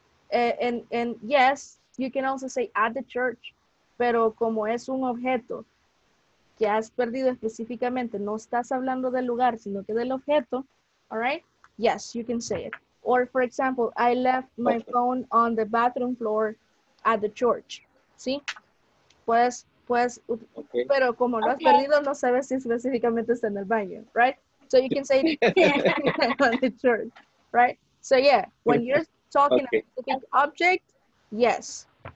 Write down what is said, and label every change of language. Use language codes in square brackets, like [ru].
[en] And yes, you can also say at the church, [es] pero como es un objeto que has perdido específicamente, no estás hablando del lugar, sino que del objeto, [en] all right? Yes, you can say it. Or for example, I left my phone on the bathroom floor at the church. [es] ¿Sí? Pues pero como lo has perdido, no sabes si específicamente está en el baño, right? [en] So you can say on the church, right? So yeah, when you're talking about an object, yes.